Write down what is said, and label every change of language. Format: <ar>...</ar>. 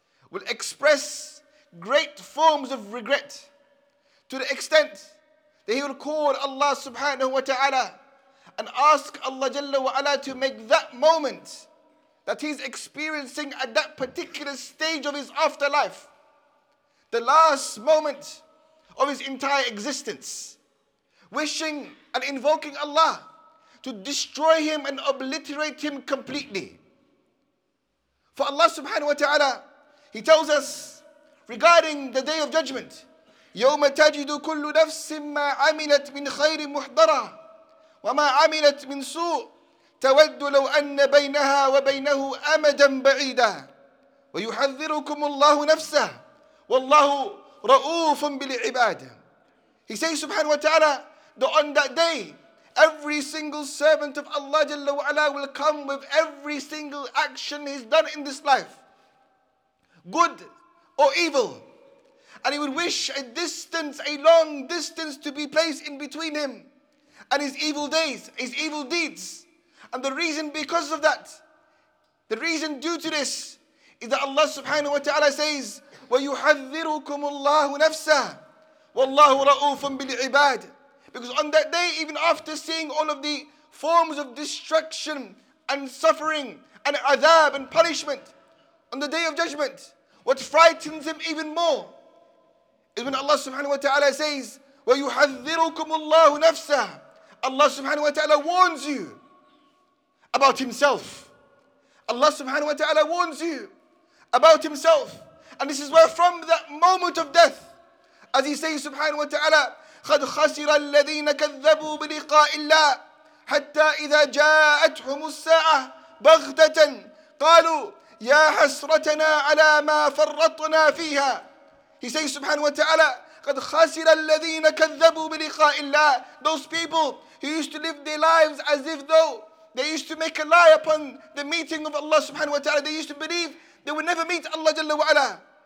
<en>Will express great forms of regret to the extent that he will call Allah subhanahu wa ta'ala and ask Allah jalla wa ala to make that moment that he's experiencing at that particular stage of his afterlife, the last moment of his entire existence, wishing and invoking Allah to destroy him and obliterate him completely.</en> <ar>For Allah subhanahu wa ta'ala, he tells us regarding the Day of Judgment, يَوْمَ تَجِدُ كُلُّ نَفْسٍ مَا عَمِلَتْ مِنْ خَيْرٍ مُحْضَرًا وَمَا عَمِلَتْ مِنْ سُوءٍ تَوَدُّ لَوْ أَنَّ بَيْنَهَا وَبَيْنَهُ أَمَدًا بَعِيدًا وَيُحَذِّرُكُمُ اللَّهُ نَفْسَهُ وَاللَّهُ رَؤُوفٌ بِالْعِبَادِ.</ar> <en>He says subhanahu wa ta'ala that on that day, every single servant of Allah Jalla wa Ala will come with every single action he's done in this life, good or evil, and he would wish a distance, a long distance, to be placed in between him and his evil days, his evil deeds. And the reason because of that, the reason due to this, is that Allah subhanahu wa ta'ala says,</en> <ar>وَيُحَذِّرُكُمُ اللَّهُ نَفْسَهُ وَاللَّهُ رَؤُوفٌ بِالْعِبَادِ.</ar> <en>Because on that day, even after seeing all of the forms of destruction and suffering and adab and punishment on the Day of Judgment, what frightens him even more is when Allah subhanahu wa ta'ala says,</en> <ar>وَيُحَذِّرُكُمُ اللَّهُ نَفْسَهُ.</ar> <en>Allah subhanahu wa ta'ala warns you about himself. Allah subhanahu wa ta'ala warns you about himself. And this is where from that moment of death, as he says subhanahu wa ta'ala,</en> <ar>قَدْ خَسِرَ الَّذِينَ كَذَّبُوا بِلِقَاءِ اللَّهِ حَتَّى إِذَا جَاءَتْهُمُ السَّاعَةُ بَغْتَةً قَالُوا يَا حَسْرَتَنَا عَلَى مَا فَرَّطْنَا فِيهَا.</ar> <en>He says subhanahu wa ta'ala,</en> <ar>قَدْ خَسِرَ الَّذِينَ كَذَّبُوا بِلِقَاءِ اللَّهِ.</ar> <en>Those people who used to live their lives as if though they used to make a lie upon the meeting of Allah subhanahu wa ta'ala. They used to believe they would never meet Allah jalla wa ala.</en>